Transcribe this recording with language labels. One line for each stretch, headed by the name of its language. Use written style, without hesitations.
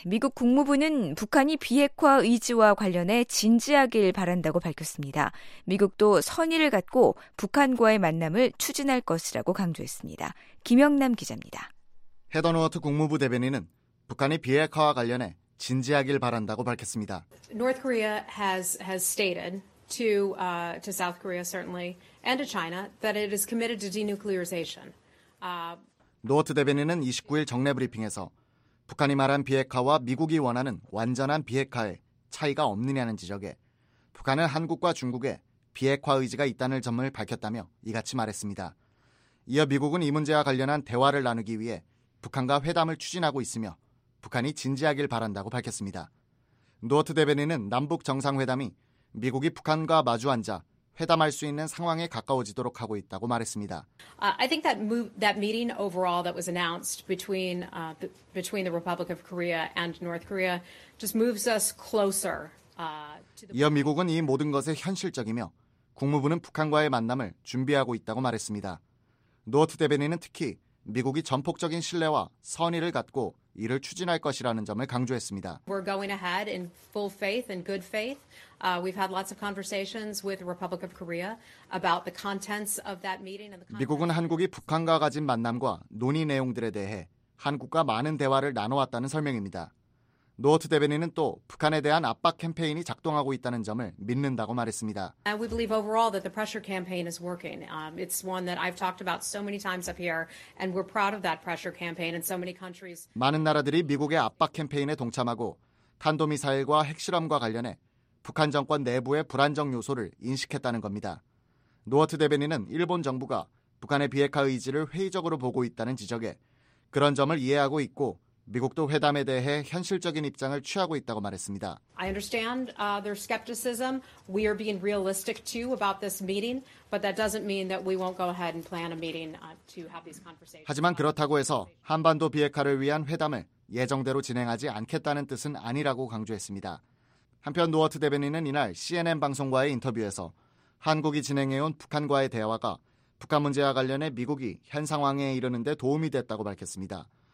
Korean: 미국 국무부는 북한이 비핵화 의지와 관련해 진지하길 바란다고 밝혔습니다. 미국도 선의를 갖고 북한과의 만남을 추진할 것이라고 강조했습니다. 김영남 기자입니다. 헤더 노어트 국무부 대변인은 북한이 비핵화와 관련해 진지하길 바란다고 밝혔습니다.
English: North Korea has stated to South Korea certainly and to China that it is committed to denuclearization.
Korean: 노어트 대변인은 29일 정례 브리핑에서 북한이 말한 비핵화와 미국이 원하는 완전한 비핵화에 차이가 없느냐는 지적에 북한은 한국과 중국에 비핵화 의지가 있다는 점을 밝혔다며 이같이 말했습니다. 이어 미국은 이 문제와 관련한 대화를 나누기 위해 북한과 회담을 추진하고 있으며 북한이 진지하길 바란다고 밝혔습니다. 노어트 대변인은 남북정상회담이 미국이 북한과 마주 앉아 회담할 수 있는 상황에 가까워지도록 하고 있다고 말했습니다.
English: I think that meeting overall that was announced between the Republic of Korea and North Korea just moves us closer.
Korean: 이어 미국은 이 모든 것에 현실적이며 국무부는 북한과의 만남을 준비하고 있다고 말했습니다. 노어트 대변인은 특히 미국이 전폭적인 신뢰와 선의를 갖고 이를 추진할 것이라는 점을 강조했습니다.
English: We're going ahead in full faith and good faith. We've had lots of conversations with the Republic of Korea about the contents of that meeting.
Korean: 미국은 한국이 북한과 가진 만남과 논의 내용들에 대해 한국과 많은 대화를 나눠왔다는 설명입니다. 노어트 대변인은 또 북한에 대한 압박 캠페인이 작동하고 있다는 점을 믿는다고 말했습니다.
English: And we believe overall that the pressure campaign is working. It's one that I've talked about so many times up here, and we're proud of that pressure campaign in so many countries.
Korean: 많은 나라들이 미국의 압박 캠페인에 동참하고 탄도 미사일과 핵실험과 관련해 북한 정권 내부의 불안정 요소를 인식했다는 겁니다. 노어트 대변인은 일본 정부가 북한의 비핵화 의지를 회의적으로 보고 있다는 지적에 그런 점을 이해하고 있고 미국도 회담에 대해 현실적인 입장을 취하고 있다고 말했습니다.
English: I understand their skepticism. We are being realistic too about this meeting, but that doesn't mean that we won't go ahead and plan a meeting to have these conversations.
Korean: 하지만 그렇다고 해서 한반도 비핵화를 위한 회담을 예정대로 진행하지 않겠다는 뜻은 아니라고 강조했습니다. 한편 노어트 대변인은 이날 CNN 방송과의 인터뷰에서 한국이 진행해온 북한과의 대화가 북한 문제와 관련해 미국이 현 상황에 이르는 데 도움이 됐다고 밝혔습니다.